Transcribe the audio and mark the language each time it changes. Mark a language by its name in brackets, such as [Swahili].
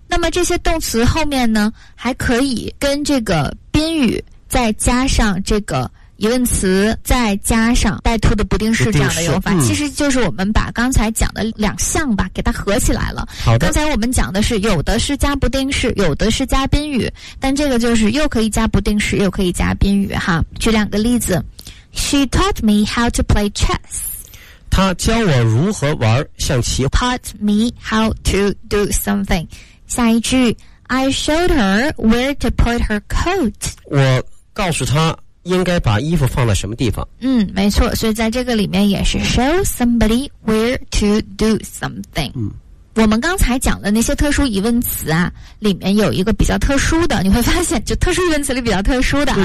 [Chinese] 那么这些动词后面呢还可以跟这个宾语再加上这个疑问词，再加上带 to 的不定式这样的用法、嗯、其实就是我们把刚才讲的两项吧给它合起来了。好的，刚才我们讲的是有的是加不定式，有的是加宾语，但这个就是又可以加不定式又可以加宾语哈。举两个例子， [English] She taught me how to play chess. [Chinese] 她教我如何玩象棋。 [English] Taught me how to do something. [Chinese] 下一句， [English] I showed her where to put her coat. [Chinese] 我告诉她应该把衣服放在什么地方。嗯，没错，所以在这个里面也是 [English] show somebody where to do something。嗯， [Chinese] 我们刚才讲的那些特殊疑问词啊，里面有一个比较特殊的，你会发现就特殊疑问词里比较特殊的啊、